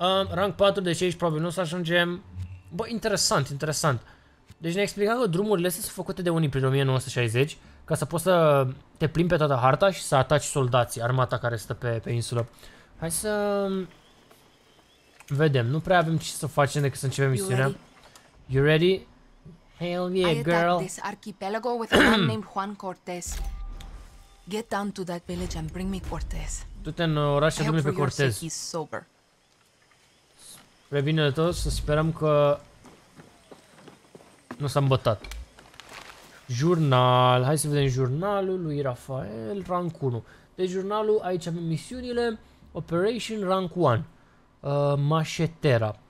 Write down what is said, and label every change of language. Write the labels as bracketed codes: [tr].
[ro] Rang 4, deci aici probabil nu o să ajungem. Bă, interesant, interesant. Deci ne-a explicat că drumurile astea sunt făcute de unii prin 1960 ca să poți să te plimbi pe toată harta și să ataci soldații, armata care stă pe insulă. Hai să vedem, nu prea avem ce să facem decât să începem misiunea. [en] You ready? Hail me, yeah, girl. I attacked this archipelago with a man named Juan Cortez. Get down to that village and bring me Cortez. [ro] Du-te în orașul lui pe Cortez. Spre bine de tot, să sperăm că nu s-a îmbătat. Jurnal, hai să vedem jurnalul lui Rafael, rank 1. Deci jurnalul, aici avem misiunile, Operation Rank 1. Mașetera.